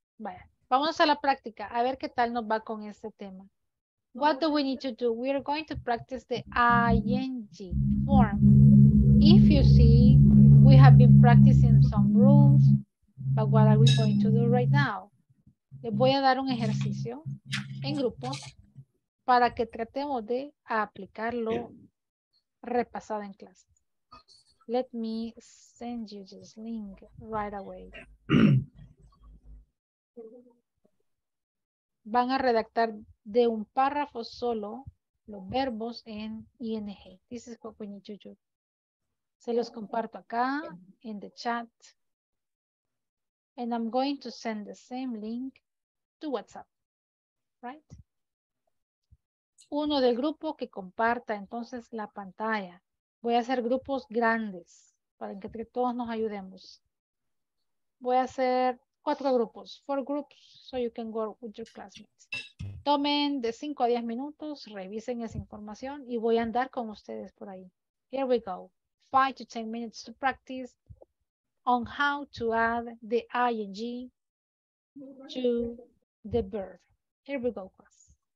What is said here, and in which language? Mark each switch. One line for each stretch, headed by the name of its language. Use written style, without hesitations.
Spanish: Vaya, vamos a la práctica, a ver qué tal nos va con este tema.
English: What do we need to do? We are going to practice the ing form. If you see, we have been practicing some rules, but what are we going to do right now?
Spanish: Les voy a dar un ejercicio en grupo para que tratemos de aplicarlo repasado en clase.
English: Let me send you this link right away.
Spanish: Van a redactar de un párrafo solo los verbos en ing.
English: This is what we need to do.
Spanish: Se los comparto acá en
English: the chat. And I'm going to send the same link to WhatsApp. Right?
Spanish: Uno del grupo que comparta entonces la pantalla. Voy a hacer grupos grandes para que todos nos ayudemos. Voy a hacer 4 grupos,
English: 4 groups, so you can go with your classmates.
Spanish: Tomen de 5 a 10 minutos, revisen esa información y voy a andar con ustedes por ahí.
English: Here we go. 5 to 10 minutes to practice on how to add the ing to the verb. Here we go, class.